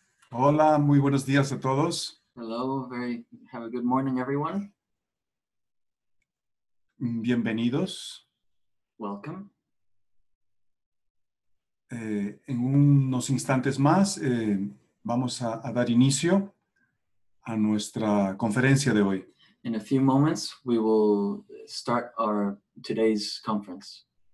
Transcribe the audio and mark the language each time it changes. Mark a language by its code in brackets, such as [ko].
[es] Hola, muy buenos días a todos. [en] Hello, very have a good morning, everyone. [es] Bienvenidos. [en] Welcome. [es] En unos instantes más vamos a dar inicio a nuestra conferencia de hoy. [en] In a few moments, we will start our today's conference.